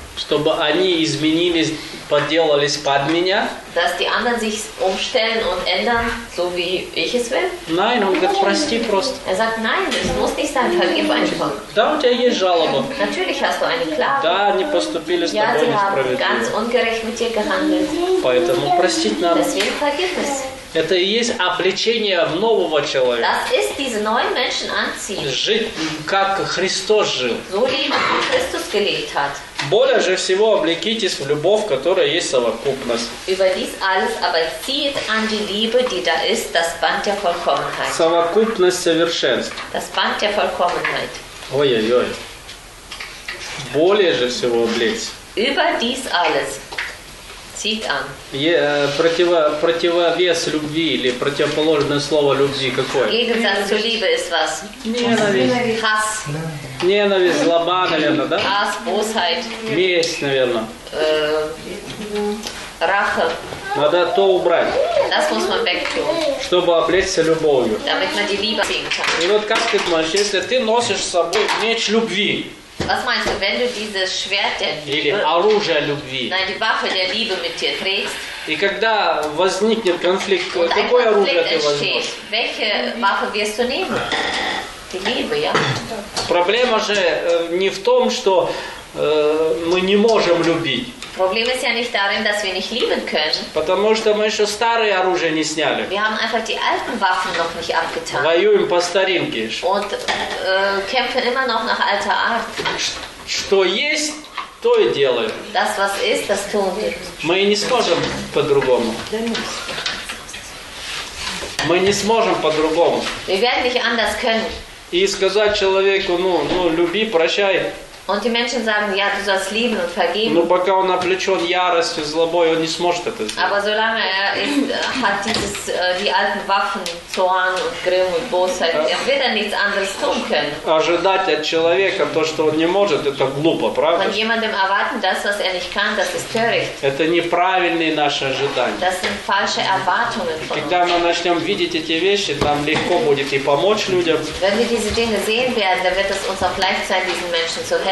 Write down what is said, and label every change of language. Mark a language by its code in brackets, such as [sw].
[ru] Чтобы они изменились, подделались под меня. [de] Dass die anderen sich umstellen und ändern, so wie ich es will? Nein, [ru] он говорит, прости просто. [de] Er sagt, nein, es muss nicht sein, vergib einfach. [ru] Да, у тебя есть жалоба. [de] Natürlich hast du eine Klage. [ru] Да, они поступили с тобой несправедливо. [de] Ja, sie haben ganz ungerecht mit dir gehandelt. [ru] Поэтому простить надо. [de] Deswegen vergib es. [ru] Это и есть облечение в нового человека. [de] Das ist diese neuen Menschen anziehen. [ru] Жить, как Христос жил. [de] So leben, wie Christus gelebt hat. [ru] Более всего облекитесь в любовь, которая есть совокупность. [de] Überdies alles, aber zieht an die Liebe, die da ist, das Band der Vollkommenheit. [ru] Совокупность совершенств. [de] Das Band der Vollkommenheit. [ru] Ой-ой-ой. Более всего облечься. [de] über dies alles. Sieht an. [ru] Противовес любви или противоположное слово любви какое? [de] Gegensatz zur Liebe ist was? [ru] Ненависть. [de] Hass. [ru] Ненависть, злоба, наверное, да? [de] Hass, Bosheit. [ru] Месть, наверное. [de] Rache. [ru] Надо то убрать. [de] Das muss man wegtun. [ru] Чтобы облечься любовью. [de] Damit man die Liebe sehen kann. [ru] И вот как ты думаешь, если ты носишь с собой меч любви? [de] Was meinst du, wenn du dieses Schwert der Liebe, [ru] или оружие любви? [de] Nein, die Waffe der Liebe mit dir trägst. [ru] И когда возникнет конфликт, какое конфликт оружие [de] entsteht, [ru] ты возьмешь? [de] Welche Waffe wirst du nehmen? Die Liebe, ja. [ru] Проблема же не в том, что мы не можем любить. [de] Problem ist ja nicht darin, dass wir nicht lieben können. [ru] Потому что мы еще старые оружия не сняли. [de] Wir haben einfach die alten Waffen noch nicht abgetan. [ru] Воюем по старинке. [de] Und kämpfen immer noch nach alter Art. [ru] Что есть, то и делаем. [de] Das, was ist, das tun wir. [ru] Мы не сможем по-другому. Мы не сможем по-другому. [de] Wir werden nicht anders können. [ru] И сказать человеку, ну люби, прощай. [de] Und die Menschen sagen, ja, du sollst lieben und vergeben. [ru] Но пока он облечен яростью, злобой, он не сможет это сделать. [de] Aber solange hat dieses die alten Waffen, Zorn und Grimm und Bosheit, wird nichts anderes tun können. [ru] Ожидать от человека то, что он не может, это глупо, правда? [de] Von jemandem erwarten das, was nicht kann, das ist töricht. [ru] Это неправильные наши ожидания. [de] Das sind falsche Erwartungen. [ru] Когда мы начнем видеть эти вещи, там легко будет и помочь людям. [de] Wenn wir diese Dinge sehen werden, dann wird es uns auch leicht sein, diesen Menschen zu